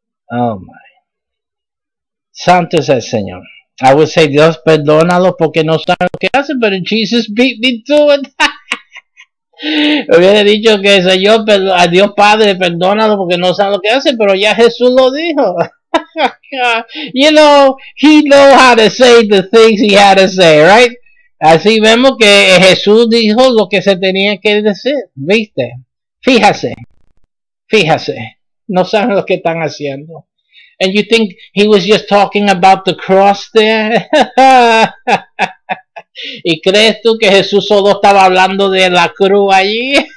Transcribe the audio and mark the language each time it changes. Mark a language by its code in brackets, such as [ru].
[en] Oh my. [es] Santo es el Señor. [en] I would say [es] Dios perdónalo porque no sabe lo que hace, [en] pero Jesus beat me to it. [es] Hubiera dicho que Señor, a Dios Padre, perdónalo porque no sabe lo que hace, pero ya Jesús lo dijo. [en] You know, he know how to say the things he had to say, right? [es] Así vemos que Jesús dijo lo que se tenía que decir, ¿viste? Fíjase, fíjase, no saben lo que están haciendo. [en] And you think he was just talking about the cross there? [es] ¿Y crees tú que Jesús solo estaba hablando de la cruz allí?